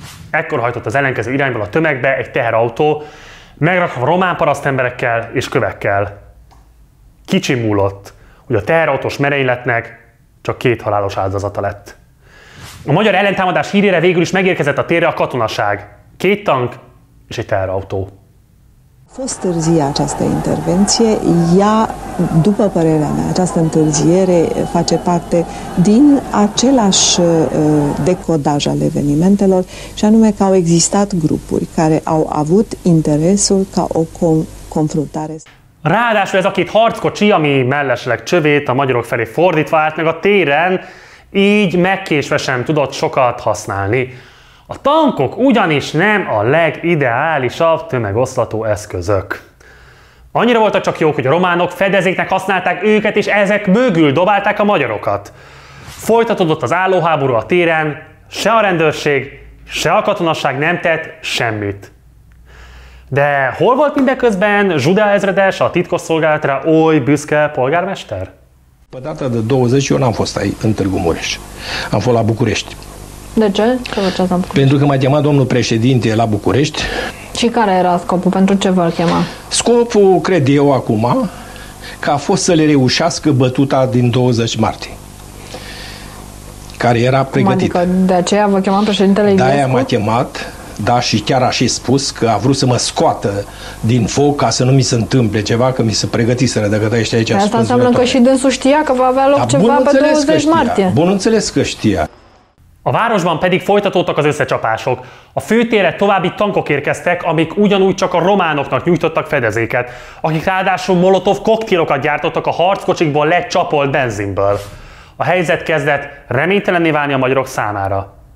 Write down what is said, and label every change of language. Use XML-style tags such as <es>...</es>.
<hu>Ekkor hajtott az ellenkező irányból a tömegbe egy teherautó, megrakva román paraszt emberekkel és kövekkel. Kicsi múlott, hogy a teherautós merényletnek csak két halálos áldozata lett. A magyar ellentámadás hírére végül is megérkezett a térre a katonaság. Két tank és egy teherautó.</hu> <ro>Fosztörzia această intervenție, ea, după părerea mea, această întârziere face parte din același decodaj al evenimentelor, și anume că au existat grupuri care au avut interesul ca o confruntare.</ro> <hu>Ráadásul ez a két harckocsi, ami mellesleg csövét a magyarok felé fordítva állt meg a téren, így megkésve sem tudott sokat használni. A tankok ugyanis nem a legideálisabb tömegoszlató eszközök. Annyira voltak csak jók, hogy a románok fedezéknek használták őket, és ezek mögül dobálták a magyarokat. Folytatódott az állóháború a téren, se a rendőrség, se a katonaság nem tett semmit. De hol volt mindeközben Zsudea ezredes, a titkosszolgálatra oly büszke polgármester?</hu> <ro>Pe data de 20, eu n-am fost aici, în Târgu Mureș. Am fost la București. De ce? Ce făceați în București? Pentru că m-a chemat domnul președinte la București. Și care era scopul? Pentru ce vă-l chema? Scopul, cred eu acum, că a fost să le reușească bătuta din 20 martie. Care era pregătită. Adică de aceea vă chemam președintele Iliescu? De-aia m-a chemat, da, și chiar a și spus că a vrut să mă scoată din foc ca să nu mi se întâmple ceva, că mi se pregătiseră de către ăștia aici. De asta înseamnă că și dânsul știa că va avea loc, da, ceva pe 20 martie. Bun înțeles că știa.</ro> <hu>A városban pedig folytatódtak az összecsapások. A főtérre további tankok érkeztek, amik ugyanúgy csak a románoknak nyújtottak fedezéket, akik ráadásul molotov koktélokat gyártottak a harckocsikból lecsapolt benzinből. A helyzet kezdett reménytelenné válni a magyarok számára.</hu>